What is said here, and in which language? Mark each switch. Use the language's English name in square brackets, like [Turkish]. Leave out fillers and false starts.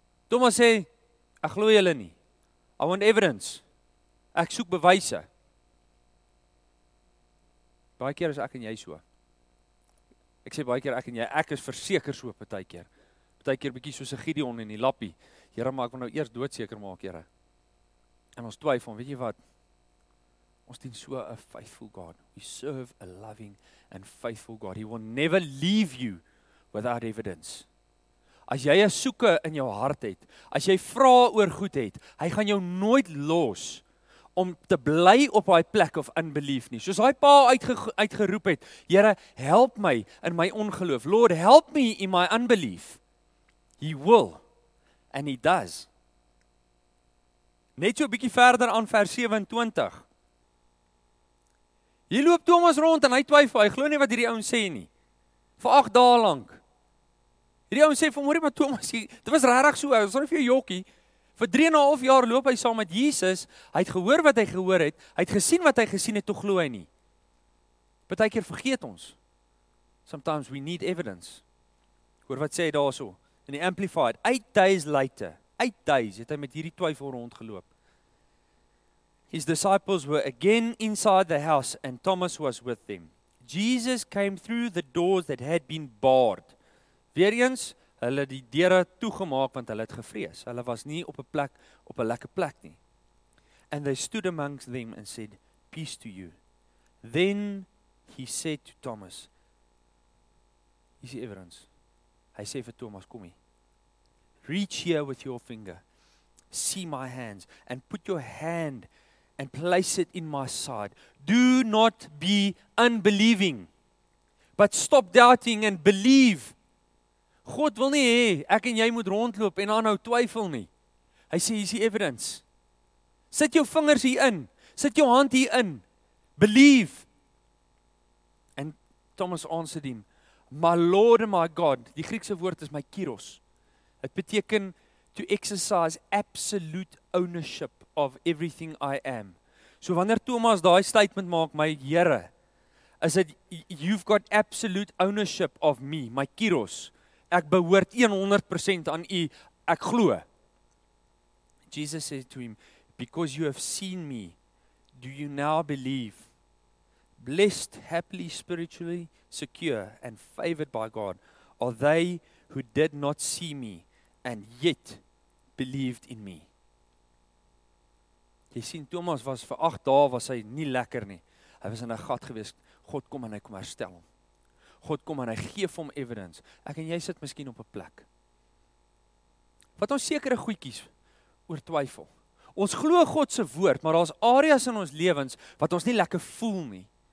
[Afrikaans] Thomas sê, ek glo julle nie. [English] I want evidence. [Afrikaans] Ek soek bewyse. Baie keer is ek en jy so. Ek sê baie keer ek en jy, ek is verseker so baie keer. Baie keer bietjie soos 'n Gideon en die lappie. Here, maar ek wil nou eers doodseker maak, Here. En ons twyfel, weet jy wat? Ons dien so 'n faithful God. [English] We serve a loving and faithful God. He will never leave you without evidence. [Afrikaans] As jy 'n soeke in jou hart het, as jy vra oor goed het, hy gaan jou nooit los om te bly op daai plek of unbelief nie. Soos daai pa uitgeroep het, Here, help my in my ongeloof. [English] Lord, help me in my unbelief. He will and he does. [Afrikaans] Net so 'n bietjie verder aan vers 27. Hier loop Thomas rond en hy twyfel, hy glo nie wat hierdie ouens sê nie. Vir 8 dae lank. Hierdie ouens sê vanmôre maar Thomas, dit was regtig so, ons sorry vir jou jokkie. Vir 3 en 'n half jaar loop hy saam met Jesus, hy het gehoor wat hy gehoor het, hy het gesien wat hy gesien het, toe glo hy nie. Partykeer vergeet ons. [English] Sometimes we need evidence. [Afrikaans] Hoor wat sê hy daarso in die Amplified. [English] 8 days later, [Afrikaans] 8 days het hy met hierdie twyfel rondgeloop. [English] His disciples were again inside the house and Thomas was with them. Jesus came through the doors that had been barred. [Afrikaans] Weereens, hulle die deure toegemaak want hulle het gevrees. Hulle was nie op 'n plek, op 'n lekker plek nie. [English] And they stood amongst them and said, peace to you. Then he said to Thomas, [Afrikaans] hier is die evidence. Hy sê vir Thomas, kom hier. [English] Reach here with your finger. See my hands and put your hand and place it in my side. Do not be unbelieving, but stop doubting and believe. [Afrikaans] God wil nie hê ek en jy moet rondloop en aanhou twyfel nie. Hy sê, hier is die evidence. Sit jou vingers hier in. Sit jou hand hier in. Believe. En Thomas antwoord hom, [English] my Lord and my God, [Afrikaans] die Griekse woord is my kyros. Dit beteken [English] to exercise absolute ownership of everything I am. [Afrikaans] So wanneer Thomas daai statement maak, my Here, [English] is it you've got absolute ownership of me, [Afrikaans] my kyros. Ek behoort 100% aan U. Ek glo. [English] Jesus said to him, because you have seen me, do you now believe? Blessed, happily, spiritually secure and favored by God are they who did not see me and yet believed in me. [Afrikaans] Jy sien, Thomas was vir 8 dae, was hy nie lekker nie. Hy was in 'n gat gewees. God kom en hy kom herstel hom. God kom en hy gee vir hom evidence. Ek en jy sit miskien op 'n plek. Wat ons sekere goedjies oor twyfel. Ons glo God se woord, maar daar's areas in ons lewens wat ons nie lekker voel nie.